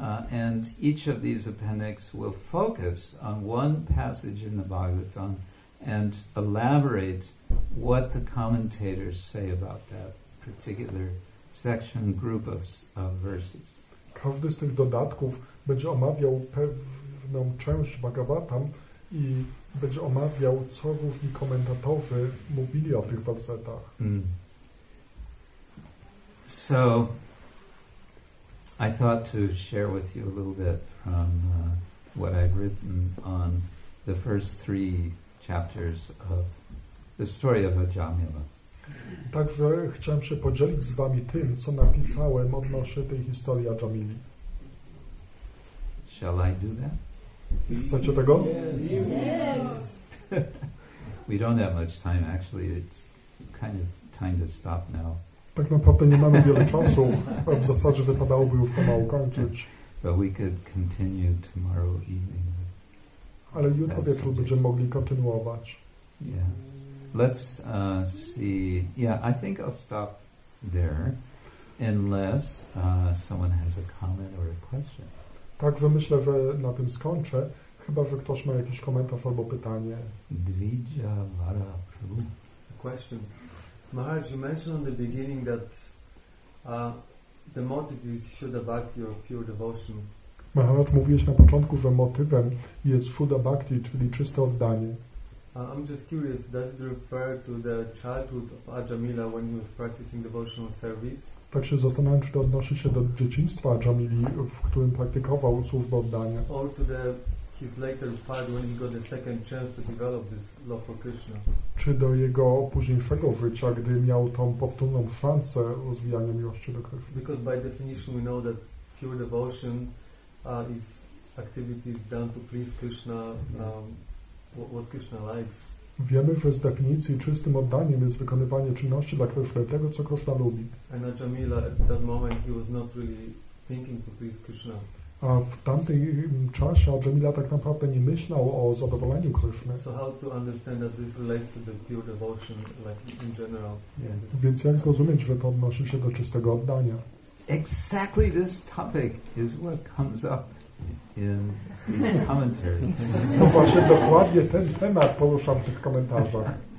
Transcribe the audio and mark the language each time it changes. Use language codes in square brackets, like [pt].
[en] And each of these appendices will focus on one passage in the Bhagavatam and elaborate what the commentators say about that particular section, group of verses. [pl] Każdy z tych dodatków będzie omawiał pewną część Bhagavatam i będzie omawiał, co różni komentatorzy mówili o tych wersetach. [en] So, I thought to share with you a little bit from what I've written on the first 3 chapters of the story of Jamila. [pl] Także chciałem się podzielić z wami tym, co napisałem odnośnie tej historii Jamili. [en] Shall I do that? [pl] Chcecie tego? [en] Yes. We don't have much time, actually. It's kind of time to stop now. [pl] Tak naprawdę nie mamy wiele czasu. W zasadzie wypadałoby już pomału kończyć. [en] But we could continue tomorrow evening. [pl] Ale jutro wieczór będziemy mogli kontynuować. [en] Yeah. Let's see. Yeah, I think I'll stop there unless someone has a comment or a question. [pl] Także myślę, że na tym skończę, chyba że ktoś ma jakiś komentarz albo pytanie. [en] Dvija Vara Prabhu. A question. Maharaj, you mentioned in the beginning that the motive is Shuddha Bhakti or pure devotion. [pl] Maharaj, mówiłeś na początku, że motywem jest Shuddha Bhakti, czyli czyste oddanie. [en] I'm just curious, does it refer to the childhood of Jamila when he was practicing devotional service? [pl] Tak się zastanawiam, czy to odnosi się do dzieciństwa Jamili, w którym praktykował służbę oddania. [en] Or to the, his later part when he got the second chance to develop this love for Krishna. [pl] Czy do jego późniejszego życia, gdy miał tą powtórną szansę rozwijania miłości do Krishna. [en] Because by definition we know that pure devotion is activities done to please Krishna, what Krishna likes. [pl] Wiemy, że z definicji czystym oddaniem jest wykonywanie czynności dla Krishna, tego, co Krishna lubi. [en] And Jamila at that moment he was not really thinking to please Krishna. [pl] A w tamtym czasie Jamila tak naprawdę nie myślał o zadowoleniu Krishny. [en] So how to understand that this relates to the pure devotion, like in general? Yeah. [pl] Więc jak zrozumieć, że to odnosi się do czystego oddania? [en] Exactly this topic is what comes up in these commentaries. [pl] No właśnie, dokładnie ten temat poruszam w tych komentarzach.